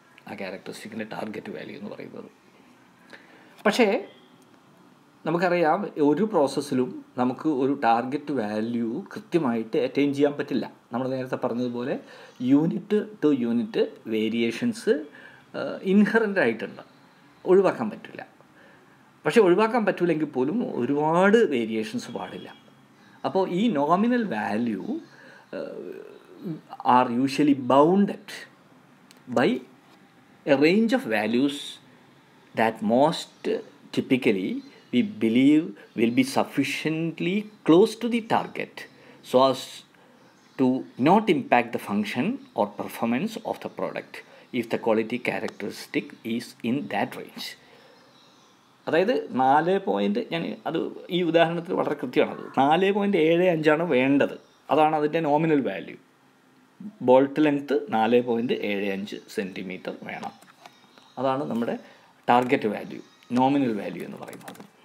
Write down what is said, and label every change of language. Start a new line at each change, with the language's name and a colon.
Malayalam: ആ ക്യാരക്ടറിസ്റ്റിക്കിൻ്റെ target value എന്ന് പറയുന്നത്. പക്ഷേ നമുക്കറിയാം, ഒരു പ്രോസസ്സിലും നമുക്ക് ഒരു ടാർഗറ്റ് വാല്യൂ കൃത്യമായിട്ട് അറ്റൈൻ ചെയ്യാൻ പറ്റില്ല. നമ്മൾ നേരത്തെ പറഞ്ഞതുപോലെ unit two unit variations inherent ആയിട്ടുണ്ട്, ഒഴിവാക്കാൻ പറ്റില്ല. പക്ഷേ ഒഴിവാക്കാൻ പറ്റില്ലെങ്കിൽ പോലും ഒരുപാട് വേരിയേഷൻസ് പാടില്ല. അപ്പോൾ ഈ
English: Nominal value are usually bounded by a range of values that most typically we believe will be sufficiently close to the target so as to not impact the function or performance of the product if the quality characteristic is in that range.
Malayalam: അതായത് 4. ഞാൻ അത് ഈ ഉദാഹരണത്തിൽ വളരെ കൃത്യമാണത്. 4.75 ആണ് വേണ്ടത്, അതാണ് അതിൻ്റെ nominal value. Bolt length 4.75 centimetre വേണം, അതാണ് നമ്മുടെ ടാർഗറ്റ് വാല്യൂ, നോമിനൽ വാല്യൂ എന്ന് പറയുന്നത്.